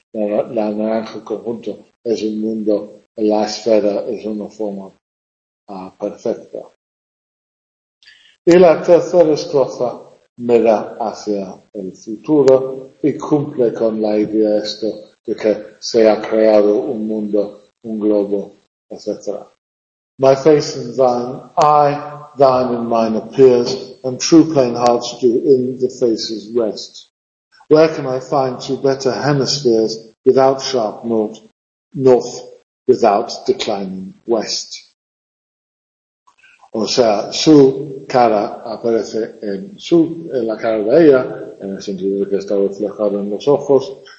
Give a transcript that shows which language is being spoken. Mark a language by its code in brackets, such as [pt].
[es] La naranja conjunto es un mundo, la esfera es una forma perfecta. Y la tercera estrofa mira hacia el futuro y cumple con la idea esto de que se ha creado un mundo, un globo, etc. [en] My face in thine eye, thine in mine appears, and true plain hearts do in the faces rest. Where can I find two better hemispheres without sharp north, without declining west? [es] O sea, su cara aparece en la cara de ella, en el sentido de que está reflejado en los ojos.